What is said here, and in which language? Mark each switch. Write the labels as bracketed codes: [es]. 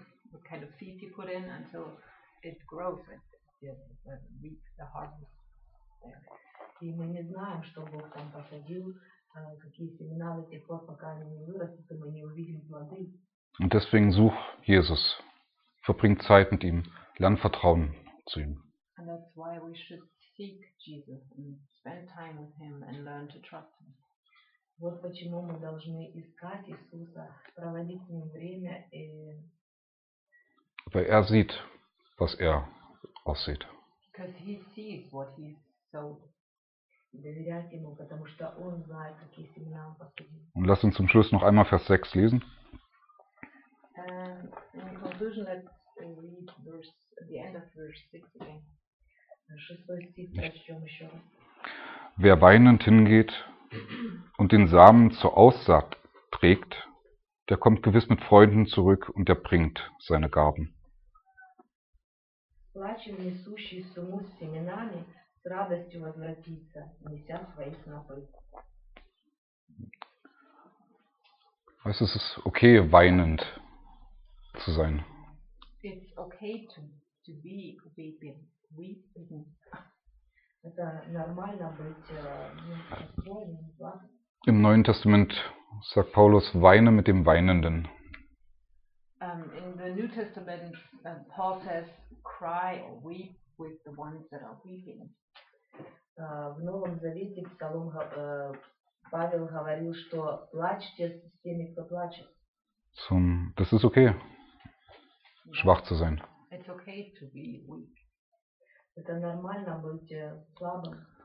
[en] What kind of seed you put in until it grows and reaps the harvest there. [ru] И мы не знаем, что Бог там посадил, какие семена до тех пор, пока они не вырастут, и мы не увидим плоды. [de] Und deswegen such Jesus. Verbring Zeit mit ihm. Lern Vertrauen zu ihm. [en] And that's why we should seek Jesus and spend time with him and learn to trust him. [ru] Вот почему мы должны искать Иисуса, проводить с ним время и... [de] Weil er sieht, was er aussieht. [en] Because he sees what he sowed. [ru] Доверяйте ему, потому что он знает, какие семена он посадил. [de] Und lass uns zum Schluss noch einmal Vers 6 lesen. [en] In conclusion, let's read the end of verse 6 again. [ru] 6. Stich, прочтем еще. [de] Wer weinend hingeht und den Samen zur Aussaat trägt, der kommt gewiss mit Freunden zurück und er bringt seine Gaben. [ru] Плачем, несущий суму с семенами, с радостью возвратится, неся свои снопы. [de] Weißt du, es ist okay, weinend zu sein. [en] It's okay to be weeping. Weeping. [ru] Это нормально быть неспокойным, плачем. [de] Im Neuen Testament sagt Paulus, weine mit dem Weinenden. [en] In the New Testament, Paul says, cry or weep with the ones that are weeping. [ru] В Новом Завете Псалом Павел говорил, что плачьте с теми, кто плачет. [de] Das ist okay, schwach zu sein. [en] It's okay to be weak. [ru] Это нормально быть слабым.